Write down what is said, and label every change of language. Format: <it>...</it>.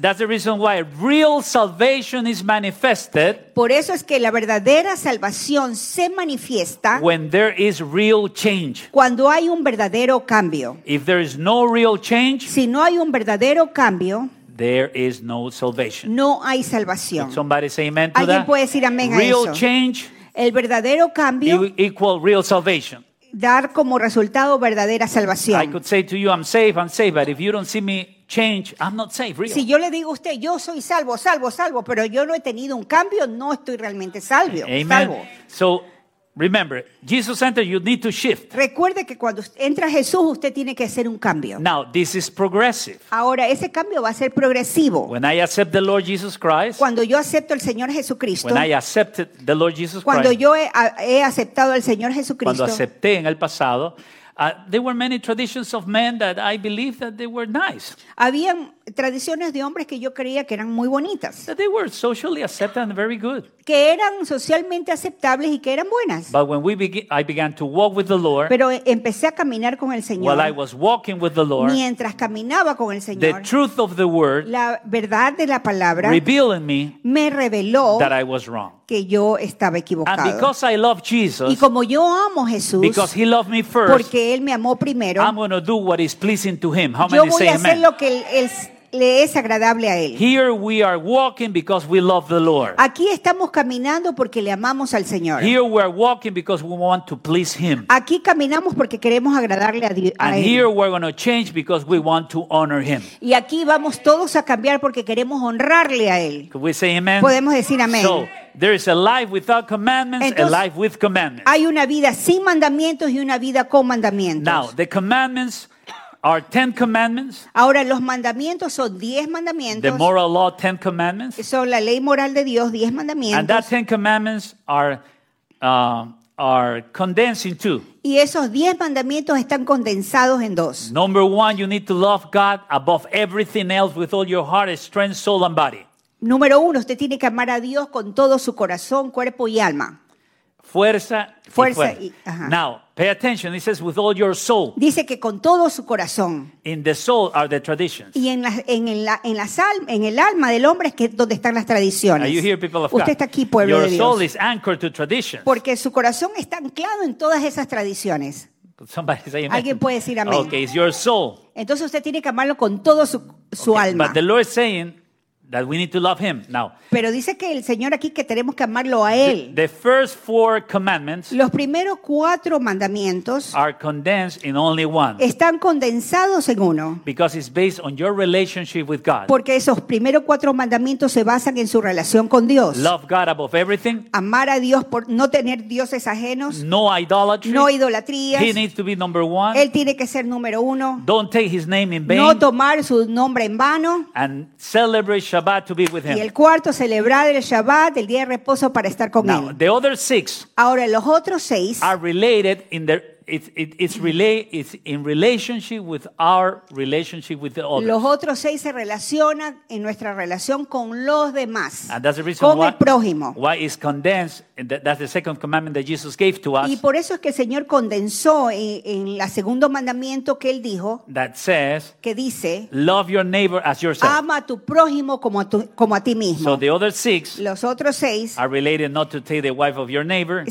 <en>That's the reason why real salvation is manifested.</en> <es>Por eso es que la verdadera salvación se manifiesta</es> <en>when there is real change.</en> <es>Cuando hay un verdadero cambio.</es> <en>If there is no real change,</en> <es>si no hay un verdadero cambio,</es> <en>there is no salvation.</en> <es>No hay salvación.</es> <en>Did somebody say amen to</en> <es>¿Alguien</es> <en>that?</en> <es>¿Alguien puede decir amén</es> <en>real</en> <es>a eso?</es> <en>Real change,</en> <es>el verdadero cambio,</es> <en>equal real salvation.</en> <es>Dar como resultado verdadera salvación.</es> <en>I could say to you, I'm safe, but if you don't see me change, I'm not safe, real.</en> <es>Si yo le digo a usted, yo soy salvo, pero yo no he tenido un cambio, no estoy realmente salvo.</es> <en>Amen.</en> <es>Salvo.</es> <en>So, remember, Jesus entered, you need to shift.</en> <es>Recuerde que cuando entra Jesús, usted tiene que hacer un cambio.</es> <en>Now, this is progressive.</en> <es>Ahora, ese cambio va a ser progresivo.</es> <en>When I accept the Lord Jesus Christ,</en> <es>cuando yo acepto al Señor Jesucristo,</es> <en>when I accepted the Lord Jesus Christ,</en> <es>cuando yo he aceptado al Señor Jesucristo, cuando acepté en el pasado,</es> <en>there were many traditions of men that I believed that they were nice.</en> <es>Habían tradiciones de hombres que yo creía que eran muy bonitas.</es> <en>That they were socially accepted and very good.</en> <es>Que eran socialmente aceptables y que eran buenas.</es> <en>But when I began to walk with the Lord,</en> <es>pero empecé a caminar con el Señor.</es> <en>While I was walking with the Lord,</en> <es>mientras caminaba con el Señor.</es> <en>The truth of the word,</en> <es>la verdad de la palabra,</es> <en>revealing me,</en> <es>me reveló</es> <en>that I was wrong.</en> <es>Que yo estaba equivocado.</es> <en>And because I love Jesus,</en> <es>y como yo amo a Jesús,</es> <en>because he loved me first,</en> <es>porque él me amó primero,</es> <en>I'm going to do what is pleasing to him. How many say amen?</en> <es>Yo voy a hacer lo que él le es agradable a él.</es> <en>Here we are walking because we love the Lord.</en> <es>Aquí estamos caminando porque le amamos al Señor.</es> <en>Here we are walking because we want to please him.</en> <es>Aquí caminamos porque queremos agradarle a él.</es> <en>And here we're going to change because we want to honor him.</en> <es>Y aquí vamos todos a cambiar porque queremos honrarle a él.</es> <en>Can we say amen?</en> <es>Podemos decir amén.</es> <en>So, there is a life without commandments,</en> <es>entonces,</es> <en>a life with commandments.</en> <es>Hay una vida sin mandamientos y una vida con mandamientos.</es> <en>Now, the commandments are 10 commandments.</en> <es>Ahora los mandamientos son 10 mandamientos.</es> <en>The moral law, 10 commandments.</en> <es>Son la ley moral de Dios, 10 mandamientos.</es> <en>And that 10 commandments are condensed in two.</en> <es>Y esos 10 mandamientos están condensados en dos.</es> <en>Number one, you need to love God above everything else with all your heart, strength, soul and body.</en> <es>Número uno, usted tiene que amar a Dios con todo su corazón, cuerpo y alma. Fuerza y fuerza.</es> <en>Now, pay attention. It says with all your soul.</en> <es>Dice que con todo su corazón.</es> <en>In the soul are the traditions.</en> <es>Y en el alma del hombre es que donde están las tradiciones.</es> <en>Are you here, people of God?</en> <es>Usted está aquí, pueblo</es> <en>your</en> <es>de Dios.</es> <en>Your soul is anchored to traditions.</en> <es>Porque su corazón está anclado en todas esas tradiciones.</es> <en>Somebody say amen.</en> <es>Alguien puede decir amén.</es> <en>Okay, it's your soul.</en> <es>Entonces usted tiene que amarlo con todo su okay, alma.</es> <en>But the Lord is saying that we need to love him now.</en> <es>Pero dice que el Señor aquí que tenemos que amarlo a él.</es> <en>The first four commandments.</en> <es>Los primeros cuatro mandamientos.</es> <en>Are condensed in only one.</en> <es>Están condensados en uno.</es> <en>Because it's based on your relationship with God.</en> <es>Porque esos primeros cuatro mandamientos se basan en su relación con Dios.</es> <en>Love God above everything.</en> <es>Amar a Dios por no tener dioses ajenos.</es> <en>No idolatry.</en> <es>No idolatrías.</es> <en>He needs to be number one.</en> <es>Él tiene que ser número uno.</es> <en>Don't take his name in vain.</en> <es>No tomar su nombre en vano.</es> <en>And celebrate Shabbat to be with him.</en> <es>Y el cuarto, celebrar el Shabbat, el día de reposo para estar con</es> <en>Now,</en> <es>él.</es> <en>The other six.</en> <es>Ahora los otros seis.</es> <en>Are related in the it's in relationship with our relationship with the others.</en> <es>Los otros seis se relacionan en nuestra relación con los demás.</es> <en>And that's the reason</en> <es>con</es> <en>why,</en> <es>el prójimo.</es> <en>Why it's condensed. And that's the second commandment that Jesus gave to us.</en> <es>Y por eso es que el Señor condensó en el segundo mandamiento que él dijo.</es> <en>That says.</en> <es>Que dice.</es> <en>Love your neighbor as yourself.</en> <es>Ama a tu prójimo como a ti mismo.</es> <en>So the other six.</en> <es>Los otros seis.</es> <en>Are related not to take the wife of your neighbor.</en>